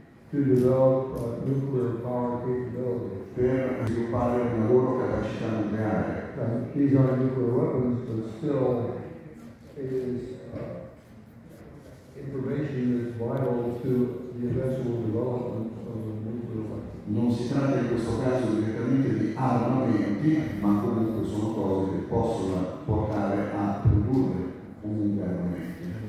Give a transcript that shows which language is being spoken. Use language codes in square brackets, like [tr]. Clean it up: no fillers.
[en] To develop a nuclear power capability. [it] Per sviluppare una loro capacità nucleare. [en] These are nuclear weapons, but still it is information that's vital to the eventual development of a nuclear weapon. [it] Non si tratta in questo caso direttamente di armamenti, ma comunque sono cose che possono portare a produrre comunque armamenti.